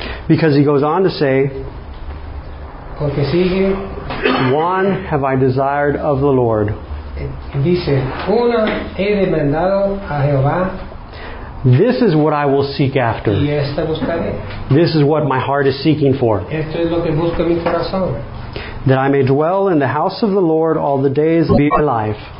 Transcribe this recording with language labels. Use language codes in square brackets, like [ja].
[en] Because he goes on to say, [es] porque sigue, [en] one have I desired of the Lord. [es] Dice, una he demandado a Jehová. [en] This is what I will seek after. [es] Y esta buscaré. [en] This is what my heart is seeking for. [es] Esto es lo que busca mi corazón. [en] That I may dwell in the house of the Lord all the days of my life.